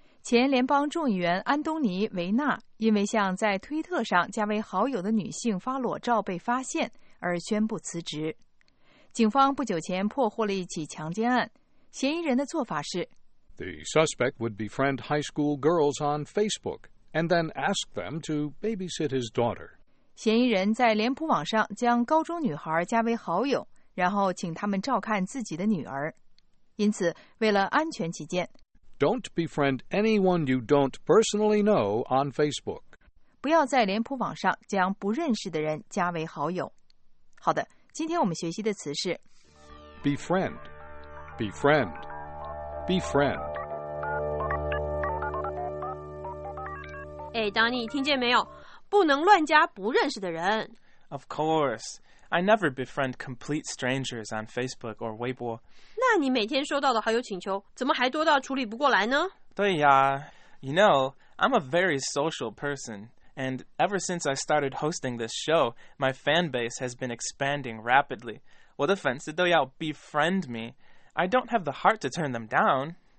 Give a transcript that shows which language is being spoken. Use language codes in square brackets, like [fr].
[zh] 前联邦众议员安东尼·维纳因为向在推特上加为好友的女性发裸照被发现而宣布辞职。警方不久前破获了一起强奸案，嫌疑人的做法是 [en] The suspect would befriend high school girls on Facebook. And then ask them to babysit his daughter. [zh] 嫌疑人在脸谱网上将高中女孩加为好友，然后请他们照看自己的女儿。因此，为了安全起见 [en] ，Don't befriend anyone you don't personally know on Facebook. [zh] 不要在脸谱网上将不认识的人加为好友。好的，今天我们学习的词是 [en] befriend, befriend, befriend. [zh] 哎，当你听见没有？不能乱加不认识的人。 [en] Of course. I never befriend complete strangers on Facebook or Weibo. [zh] 那你每天收到的好友请求，怎么还多到处理不过来呢？对呀。 [en] You know, I'm a very social person. And ever since I started hosting this show, my fan base has been expanding rapidly. [zh] 我的粉丝都要 [en] befriend me. I don't have the heart to turn them down.